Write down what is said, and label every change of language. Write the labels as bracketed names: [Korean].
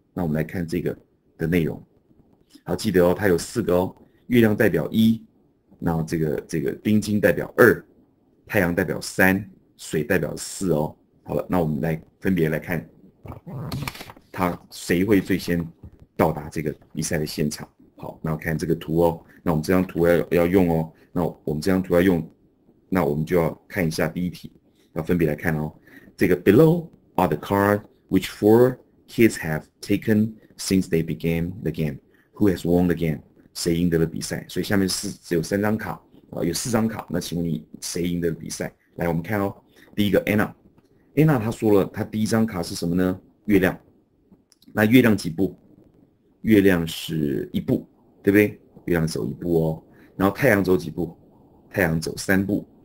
[Chinese] 那我们来看这个的内容，好，记得哦，它有4个哦，月亮代表一，然后这个冰晶代表二，太阳代表三，水代表四哦。好了，那我们来分别来看，他谁会最先到达这个比赛的现场。好，那我看这个图哦。那我们这张图要用哦。那我们这张图要用，那我们就要看一下第一题，要分别来看哦。这个 [English] below are the cards which four kids have taken since they began the game. Who has won the game? [Chinese] 谁赢得了比赛？所以下面是只有3张卡啊，有4张卡。那请问你谁赢得了比赛？来，我们看哦。第一个 Anna 她说了，她第一张卡是什么呢？月亮。那月亮几步？月亮是一步，对不对？月亮走一步哦。然后太阳走几步？太阳走3步。